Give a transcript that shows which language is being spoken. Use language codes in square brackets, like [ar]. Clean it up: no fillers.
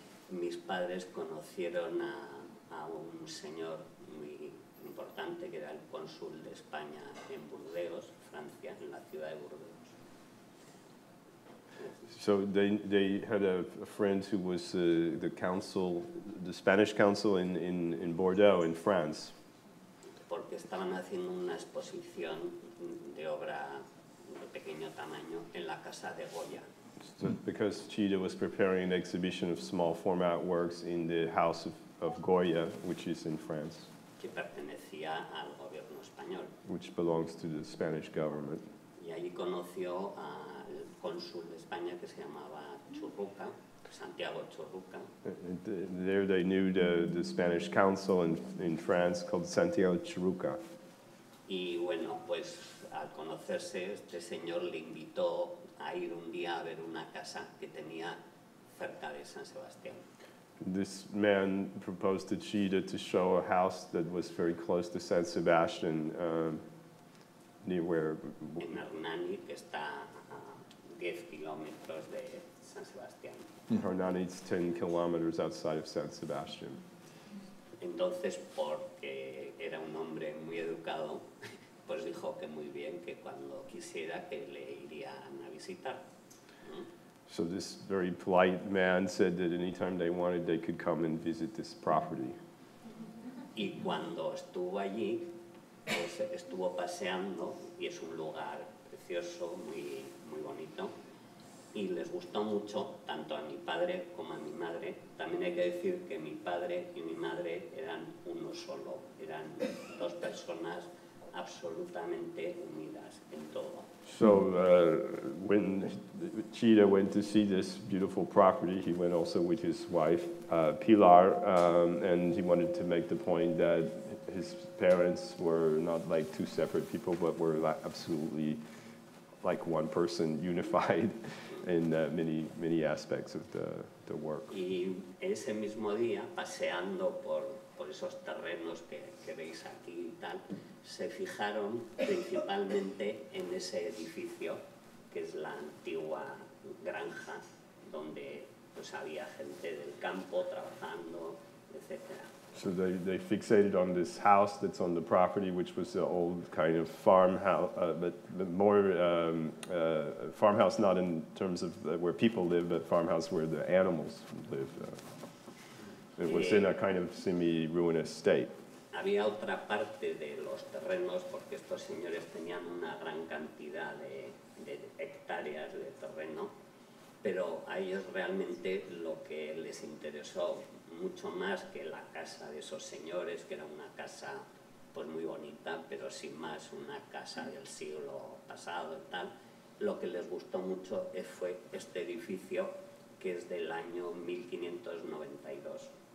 [es] Mis padres conocieron a un señor muy importante que era el cónsul de España en Burdeos, Francia, en la ciudad de Burdeos. [en] So they had a friend who was the consul, the Spanish consul in Bordeaux, in France. [es] Porque estaban haciendo una exposición de obra de pequeño tamaño en la casa de Goya. [en] So because Chillida was preparing an exhibition of small format works in the house of Goya, which is in France. [es] que pertenecía al gobierno español, [en] which belongs to the Spanish government. [es] Y allí conoció al cónsul de España que se llamaba Churruca, Santiago Churruca. [en] There they knew the Spanish consul in France called Santiago Churruca. [es] Y bueno, pues al conocerse, este señor le invitó a ir un día a ver una casa que tenía cerca de San Sebastián. [en] This man proposed to Chida to show a house that was very close to San Sebastian, near where... [es] En Hernani, que está 10 kilómetros de San Sebastián. [en] Hernani is 10 kilometers outside of San Sebastian. [es] Entonces, porque era un hombre muy educado, pues dijo que muy bien, que cuando quisiera, que le irían a visitar. [en] So this very polite man said that anytime they wanted, they could come and visit this property. [es] Y cuando estuvo allí, pues estuvo paseando, y es un lugar precioso, muy, muy bonito, y les gustó mucho, tanto a mi padre como a mi madre. También hay que decir que mi padre y mi madre eran uno solo, eran dos personas absolutamente unidas en todo. [en] So when Chida went to see this beautiful property, he went also with his wife, Pilar, and he wanted to make the point that his parents were not like two separate people, but were absolutely like one person, unified in many, many aspects of the work. [es] Y ese mismo día, paseando por esos terrenos que veis aquí y tal, se fijaron principalmente en ese edificio, que es la antigua granja, donde pues había gente del campo trabajando, etc. [en] So they fixated on this house that's on the property, which was the old kind of farmhouse, but more farmhouse, not in terms of where people live, but farmhouse where the animals live. It was in a kind of semi-ruinous state. [es] Había otra parte de los terrenos, porque estos señores tenían una gran cantidad de hectáreas de terreno, pero a ellos realmente lo que les interesó mucho más que la casa de esos señores, que era una casa pues muy bonita, pero sin más, una casa del siglo pasado y tal, lo que les gustó mucho fue este edificio, que es del año 1592.